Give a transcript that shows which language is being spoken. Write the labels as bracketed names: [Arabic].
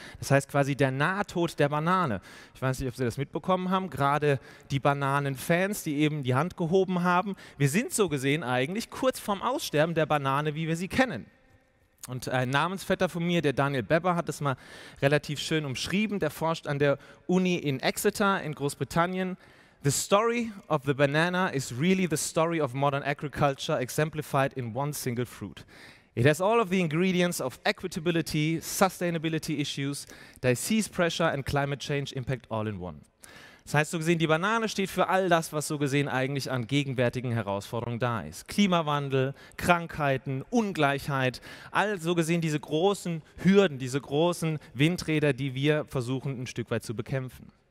[German] Das heißt quasi der Nahtod der Banane. Ich weiß nicht, ob Sie das mitbekommen haben, gerade die Bananenfans, die eben die Hand gehoben haben. Wir sind so gesehen eigentlich kurz vorm Aussterben der Banane, wie wir sie kennen. Und ein Namensvetter von mir, der Daniel Beber, hat das mal relativ schön umschrieben. Der forscht an der Uni in Exeter in Großbritannien. [English] The story of the banana is really the story of modern agriculture exemplified in one single fruit. It has all of the ingredients of equitability, sustainability issues, disease pressure and climate change impact all in one. [German] Das heißt so gesehen, die Banane steht für all das, was so gesehen eigentlich an gegenwärtigen Herausforderungen da ist. Klimawandel, Krankheiten, Ungleichheit, all so gesehen diese großen Hürden, diese großen Windräder, die wir versuchen ein Stück weit zu bekämpfen.